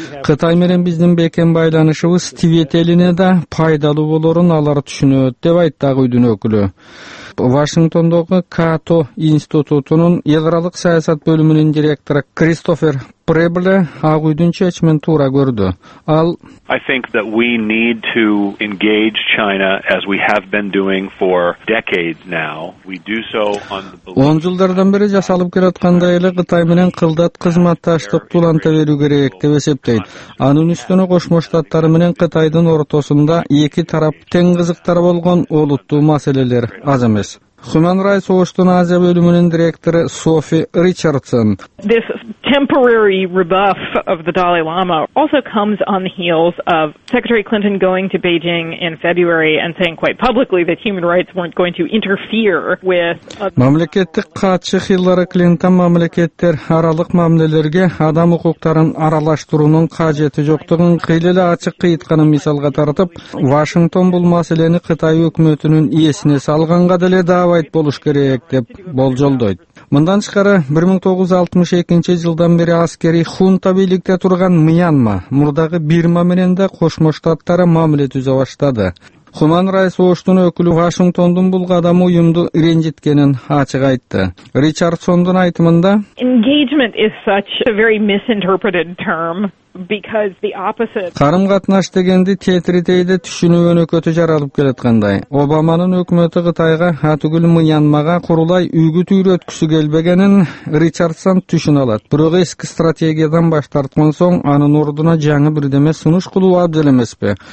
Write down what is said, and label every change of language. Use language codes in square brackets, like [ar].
[ky] Кытай менен биздин бекем байланышыбыз Тибет элине да пайдалуу болорун алар түшүнөт, деп айтты Ак Үйдүн өкүлү. Вашингтондогу Като институтунун эларалык саясат бөлүмүнүн директору Кристофер Пребле Ак Үйдүн чечимин туура көрдү. Ал [en] I think that we need to engage China as we have been doing for decades now. We do so on the belief [ky] 10 жылдардан бери жасалып келаткандай эле Кытай менен кылдат кызматташтыкты уланта берүү керек деп эсептейт. Анын үстүнө Кошмо Штаттары менен Кытайдын ортосунда эки тарап тең кызыктар болгон олуттуу маселелер аз эмес. Human Rights Watch'тун Азия бөлүмүнүн директору Софи Ричардсон. [en] This temporary rebuff of the Dalai Lama also comes on the heels of Secretary Clinton going to Beijing in February and saying quite publicly that human rights weren't going to interfere with [ky] Мамлекеттик катчы Хиллари Клинтон мамлекеттер аралык мамилелерге адам укуктарын аралаштыруунун кажети жоктугун кыйла эле ачык кыйтканын мисалга тартып, Вашингтон бул маселени Кытай өкмөтүнүн ээсине салганга деле терабайт болуш керек деп болжолдойт. Мындан тышкары 1962 жылдан бери аскерий хунта бийликте турган Мьянма мурдагы Бирма менен да кошмо штаттары мамиле түзө баштады. Хуман Райс Оштун өкүлү Вашингтондун бул кадамы уюмду ренжиткенин ачык айтты. Ричардсондун айтымында [en] Engagement is such a very misinterpreted term. [ky] Карым катнаш дегенди тетиритейде түшүнүү өнөкөтү жаралып келеткандай. Обаманын өкмөтү Кытайга атүгүл Мьянмага курулай үгүт үйрөткүсү келбегенин Ричардсон түшүнө алат. Бирок эски стратегиядан баш тарткан соң анын ордуна жаңы бирдеме сунуш кылуу абдел эмеспи?